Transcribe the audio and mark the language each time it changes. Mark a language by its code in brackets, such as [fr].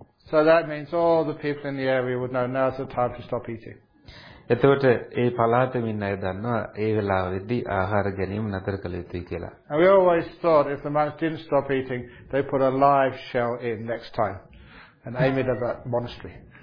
[en] So that means all the people in the area would know now's the time to stop eating. [si] එතකොට ඒ පළාතේ ඉන්න අය දන්නවා ඒ වෙලාවෙදී ආහාර ගැනීම නතර කළ යුතුයි කියලා. [en] And we always thought if the monks didn't stop eating, they put a live shell in next time and aim it at that monastery.